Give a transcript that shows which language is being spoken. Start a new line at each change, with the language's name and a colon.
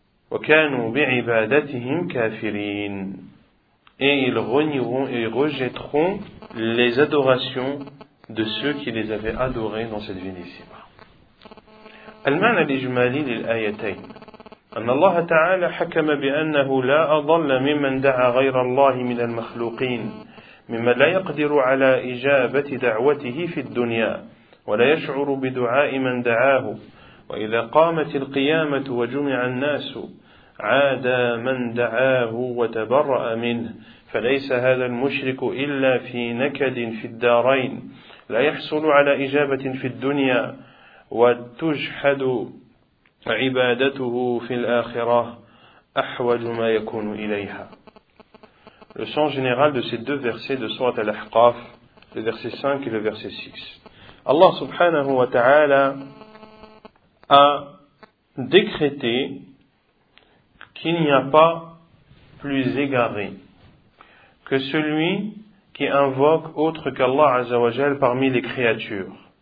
Arabic: وَكَانُوا بِعِبَادَتِهِمْ كَافِرِينَ.
French: Et ils renieront et rejetteront les adorations de ceux qui les avaient adorés dans cette vie d'ici-bas.
Arabic: المعنى الإجمالي للآيتين أن الله تعالى حكم بأنه لا أضل ممن دعا غير الله من المخلوقين ممن لا يقدر على إجابة دعوته في الدنيا ولا يشعر بدعاء من دعاه وإذا قامت القيامة وجمع الناس عاد من دعاه وتبرأ منه فليس هذا المشرك إلا في نكد في الدارين لا يحصل على إجابة في الدنيا وتجحد عبادته في الآخرة أحوج ما يكون إليها.
French: Le sens général de ces deux versets de sourate Al-Ahqaf, le verset 5 et le verset 6. Allah subhanahu wa ta'ala a décrété qu'il n'y a pas plus égaré que celui qui invoque autre qu'Allah azza wa jalla parmi les créatures.